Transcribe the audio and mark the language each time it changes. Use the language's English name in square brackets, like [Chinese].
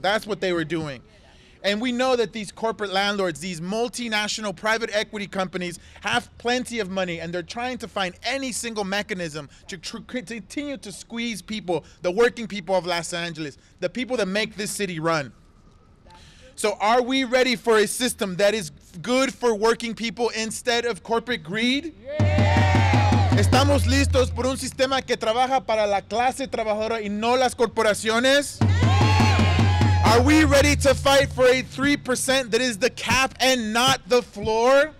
[English] That's what they were doing. And we know that these corporate landlords, these multinational private equity companies, have plenty of money, and they're trying to find any single mechanism to continue to squeeze people, the working people of Los Angeles, the people that make this city run. So are we ready for a system that is good for working people instead of corporate greed? Yeah. [Spanish] ¿Estamos listos por un sistema que trabaja para la clase trabajadora y no las corporaciones? [English] Are we ready to fight for a 3% that is the cap and not the floor?